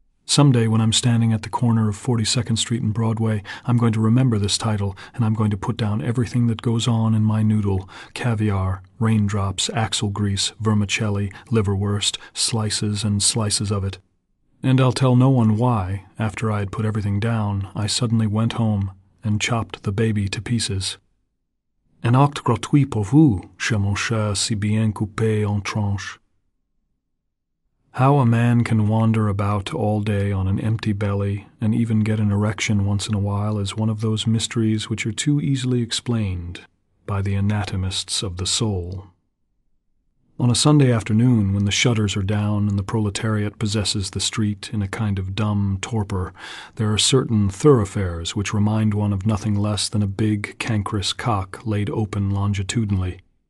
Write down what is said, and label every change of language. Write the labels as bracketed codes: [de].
[en] Someday when I'm standing at the corner of 42nd Street and Broadway, I'm going to remember this title, and I'm going to put down everything that goes on in my noodle. Caviar, raindrops, axle grease, vermicelli, liverwurst, slices and slices of it. And I'll tell no one why, after I had put everything down, I suddenly went home and chopped the baby to pieces. [fr] Un acte gratuit pour vous, cher mon cher, si bien coupé en tranches. [en] How a man can wander about all day on an empty belly and even get an erection once in a while is one of those mysteries which are too easily explained by the anatomists of the soul. On a Sunday afternoon, when the shutters are down and the proletariat possesses the street in a kind of dumb torpor, there are certain thoroughfares which remind one of nothing less than a big, cankerous cock laid open longitudinally.